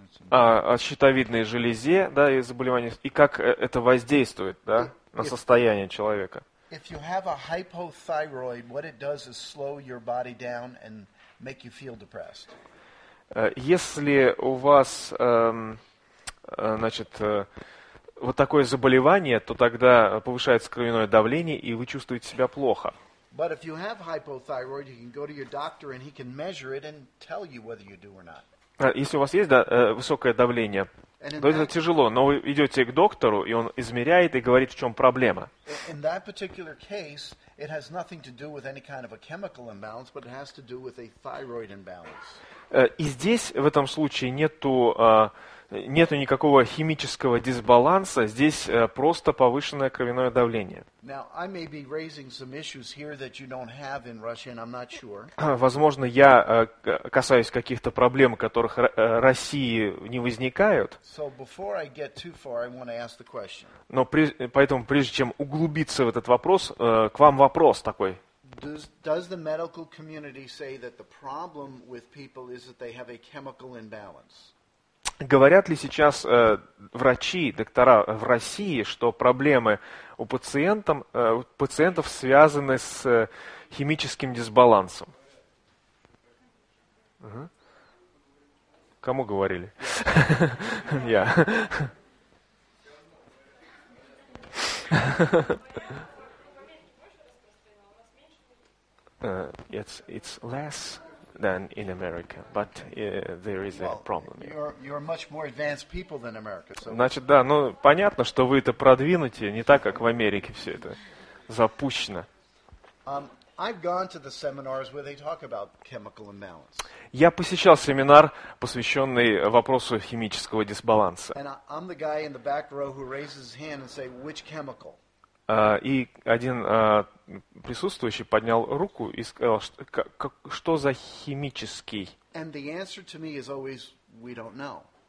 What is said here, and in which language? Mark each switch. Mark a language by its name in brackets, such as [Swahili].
[Russian] О щитовидной железе, да, и заболевании, и как это воздействует, да, на состояние человека. [English] If you have a hypothyroid, what it does is slow your body down and make you feel depressed. [Russian] Если у вас, значит, вот такое заболевание, то тогда повышается кровяное давление, и вы чувствуете себя плохо. [English] But if you have hypothyroid, you can go to your doctor and he can measure it and tell you whether you do or not. [Russian] Если у вас есть, да, высокое давление, то это тяжело, но вы идете к доктору, и он измеряет и говорит, в чем проблема. [English] In that particular case, it has nothing to do with any kind of a chemical imbalance, but it has to do with a thyroid imbalance. [Russian] И здесь, в этом случае, нету никакого химического дисбаланса, здесь просто повышенное кровяное давление. [English] Now, I may be raising some issues here that you don't have in Russia, and I'm not sure. [Russian] Возможно, я касаюсь каких-то проблем, которых России не возникают. [English] So before I get too far, I want to ask the question. [Russian] Но прежде чем углубиться в этот вопрос, к вам вопрос такой. [English] Does the medical community say that the problem with people is that they have a chemical imbalance? [Russian] Говорят ли сейчас врачи, доктора в России, что проблемы у пациентов связаны с химическим дисбалансом? Угу. Кому говорили? Я. [English] It's less than in America, but there is a problem. You're much more advanced people than America. So. [Russian] Значит, да, ну понятно, что вы это продвинете, не так, как в Америке все это запущено. [English] I've gone to the seminars where they talk about chemical imbalance. [Russian] Я посещал семинар, посвященный вопросу химического дисбаланса. [English] And I'm the guy in the back row who raises his hand and say, which chemical? [Russian] И один присутствующий поднял руку и сказал, что за химический. [English] And the answer to me is always, we don't know.